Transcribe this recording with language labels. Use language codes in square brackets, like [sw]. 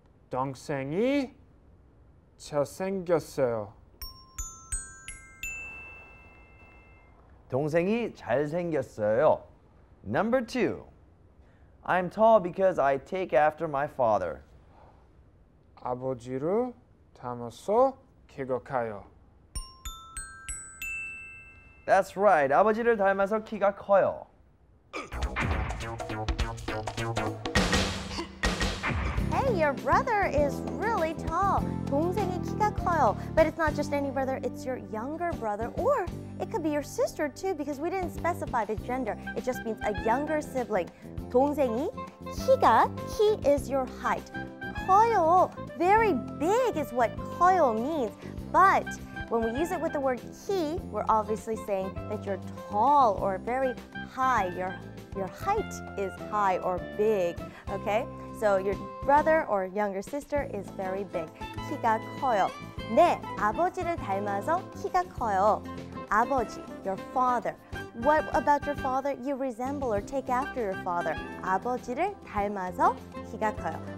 [ko] 동생이 잘생겼어요. 동생이 잘생겼어요. [en] Number two. I'm tall because I take after my father. [ko] 아버지를 닮아서 키가 커요. [en] That's right. [ko] 아버지를 닮아서 키가 커요. [en] Your brother is really tall. [ko] 동생이 키가 커요. [en] But it's not just any brother, it's your younger brother. Or it could be your sister too, because we didn't specify the gender. It just means a younger sibling. [ko] 동생이 키가, [en] ki is your height. 커요, very big is what 커요 means. But when we use it with the word ki, we're obviously saying that you're tall or very high. Your height is high or big, okay? So your brother or younger sister is very big. [ko] 키가 커요. 네, 아버지를 닮아서 키가 커요. [en] 아버지, your father. What about your father? You resemble or take after your father. [ko] 아버지를 닮아서 키가 커요.